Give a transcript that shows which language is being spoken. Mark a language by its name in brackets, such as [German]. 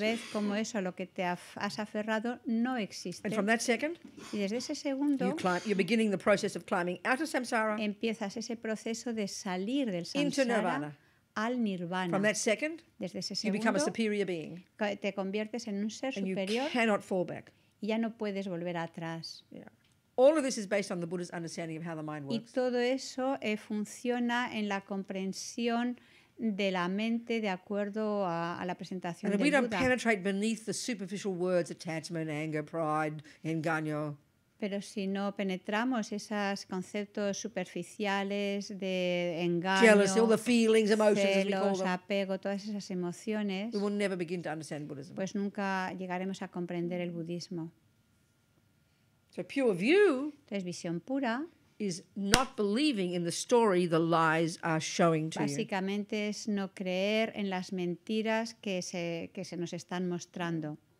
[Spanish] Vez cómo eso a lo que te has aferrado no existe. [English] And from that second, [Spanish] y desde ese segundo [English] you're beginning the process of climbing out of samsara, [Spanish] empiezas ese proceso de salir del samsara [English] into nirvana. [Spanish] Al nirvana. [English] From that second, [Spanish] desde ese segundo [English] you become a superior being, [Spanish] te conviertes en un ser superior [English] and you cannot fall back. [Spanish] Y ya no puedes volver atrás. [English] Yeah. All of this is based on the Buddha's understanding of how the mind works. [Spanish] Y todo eso funciona en la comprensión de la mente de acuerdo a la presentación del Buda. [English] And if we don't penetrate beneath the superficial words attachment, anger, pride, engaño. [Spanish] Pero si no penetramos esos conceptos superficiales de engaño, [English] jealousy, all the feelings, emotions, [Spanish] celos, [English] as we call them, [Spanish] apego, todas esas emociones, [English] we will never begin to understand Buddhism. [Spanish] Pues nunca llegaremos a comprender el budismo. [English] So pure view, [Spanish] entonces, visión pura, [English] is not believing in the story the lies are showing to you. [Spanish] Básicamente es no creer en las mentiras que se nos están mostrando.